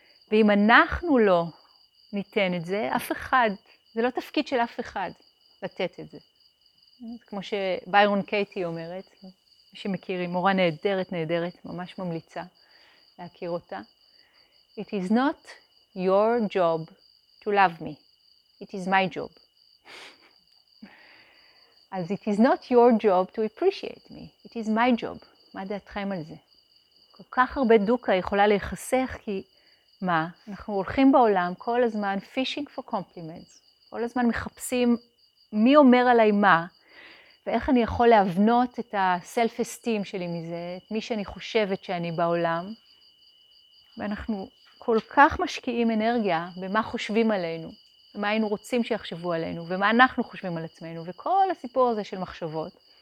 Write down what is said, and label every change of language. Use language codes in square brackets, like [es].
[he] ואם אנחנו לא ניתן את זה, אף אחד, זה לא תפקיד של אף אחד לתת את זה. כמו שביירון קייטי אומרת, שמכירים, מורה נהדרת, נהדרת, ממש ממליצה להכיר אותה. [en] It is not your job to love me. It is my job. אז it is not your job to appreciate me, it is my job. [he] מה דעתכם על זה? כל כך הרבה דוקה יכולה להיחסך, כי מה? אנחנו הולכים בעולם כל הזמן [en] fishing for compliments, [he] כל הזמן מחפשים מי אומר עליי מה, ואיך אני יכול להבנות את הסלף-אסטים שלי מזה, את מי שאני חושבת שאני בעולם, ואנחנו כל כך משקיעים אנרגיה במה חושבים עלינו, ומה היינו רוצים שיחשבו עלינו, ומה אנחנו חושבים על עצמנו, וכל הסיפור הזה של מחשבות.